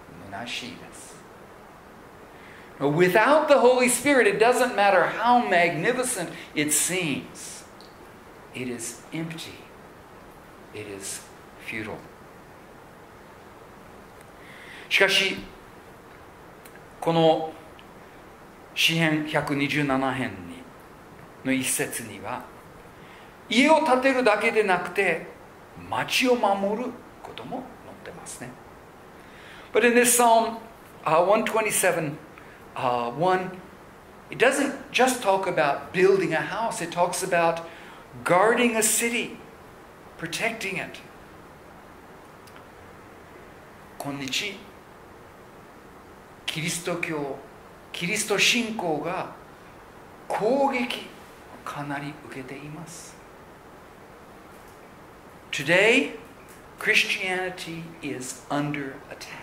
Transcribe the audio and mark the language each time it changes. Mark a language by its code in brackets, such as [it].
[ja] 虚しいです。 [en] Without the Holy Spirit, it doesn't matter how magnificent it seems. It is empty. It is futile. [ja] しかし、この詩編127編の一節には、家を建てるだけでなくて、町を守ることも載ってますね。 [en] But in this Psalm 127:1, it doesn't just talk about building a house, it talks about guarding a city, protecting it. [ja] 今日、キリスト教、キリスト信仰が攻撃をかなり受けています。 [en] Today, Christianity is under attack.